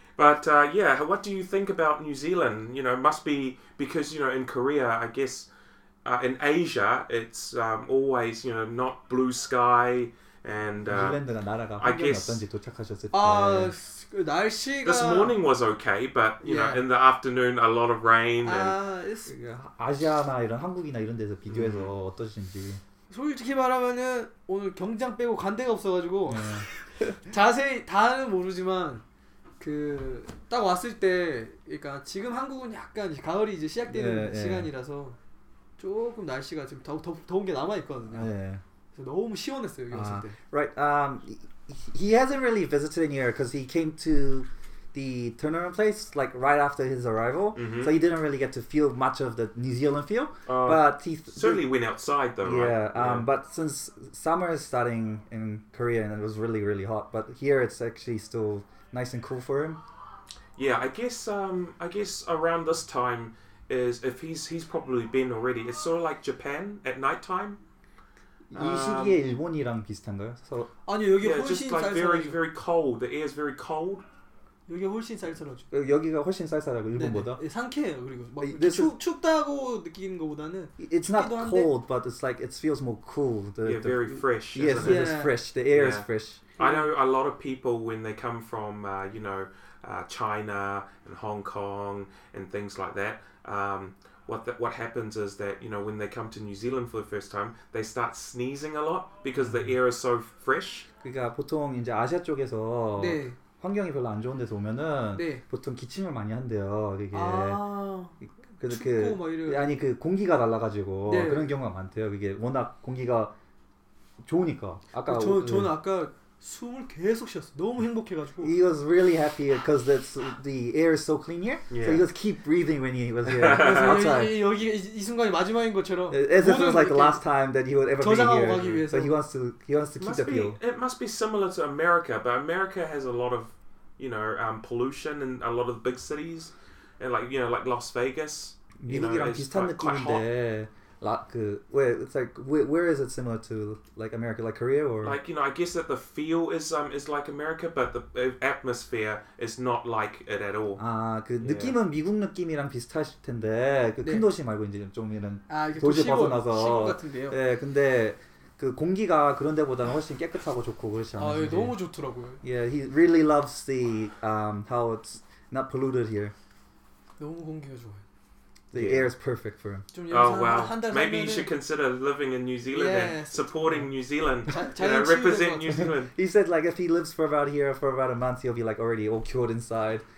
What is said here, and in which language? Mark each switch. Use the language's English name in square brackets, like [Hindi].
[English] But yeah, what do you think about New Zealand? You know, must be because, you know, in Korea, I guess in Asia, it's always, you know, not blue sky. And [Korean] New Zealand가 나라가 환경이 어떤지 도착하셨을 때 날씨가 [English] this morning was okay, but you know in the afternoon a lot of rain. It's [Korean] 아시아나 이런 한국이나 이런 데서 비교해서 어떠신지. 솔직히 말하면은 오늘 경장 빼고 간 데가 없어가지고 자세히 다는 모르지만 그 딱 왔을 때, 그러니까 지금 한국은 약간 가을이 이제 시작되는 시간이라서 조금 날씨가 지금 더운 게 남아 있거든요. 너무 시원했어요 여기 왔을 때. [English] Right. He hasn't really visited in here because he came to the tournament place like right after his arrival. Mm-hmm. So he didn't really get to feel much of the New Zealand feel. But he certainly went outside though. Yeah. Right? But since summer is starting in Korea and it was really really hot, but here it's actually still nice and cool for him. Yeah. I guess around this time is if he's probably been already. It's sort of like Japan at night time. [Korean] 이 시기에 일본이랑 비슷한가요? 아니 여기 훨씬 쌀쌀하죠. [English] Very very cold. The air is very cold. [Korean] 여기 훨씬 쌀쌀하죠. 여기가 훨씬 쌀쌀하고 일본보다. 네, 상쾌해요. 그리고 춥다고 느끼는 것보다는. [English] It's not cold, but it's like it feels more cool. Yeah, very fresh. Yes, it is fresh. The air is fresh. I know a lot of people when they come from you know China and Hong Kong and things like that. What happens is that, you know, when they come to New Zealand for the first time, they start sneezing a lot because the air is so fresh. [Korean] 그러니까 보통 이제 아시아 쪽에서 환경이 별로 안 좋은 데서 오면은 보통 기침을 많이 한대요. 그게 그렇게 아니 그 공기가 날라가지고 그런 경우가 많대요. 그게 워낙 공기가 좋으니까 아까 저는 아까 숨을 계속 쉬었어. 너무 행복해가지고. [English] He was really happy because the air is so clean here. Yeah. So he just keep breathing when he was here outside. [Korean] 여기 이 순간이 마지막인 것처럼. [English] As if it was like the last time that he would ever be here. [Korean] 저장하고 가기 위해서. [English] So he wants to keep the feel. It must be similar to America, but America has a lot of, you know, pollution in a lot of big cities, and like, you know, like Las Vegas. [Korean] 미국이랑 비슷한 느낌인데. [English] Where is it similar to like America, like Korea, or like, you know, I guess that the feel is like America, but the atmosphere is not like it at all. [Korean] 아, 그 느낌은 미국 느낌이랑 비슷하실 텐데 그 큰 도시 말고 이제 좀 이런 도시 벗어나서 예, 근데 그 공기가 그런 데보다는 훨씬 깨끗하고 좋고 그렇지 않나요? 아, 예, 너무 좋더라고요. [English] Yeah, he really loves the how it's not polluted here. [Korean] 너무 공기가 좋아. [English] The air is perfect for him. Maybe you should consider living in New Zealand and supporting New Zealand. Represent New Zealand. He said, like, if he lives for about here for about a month, he'll be like already all cured inside.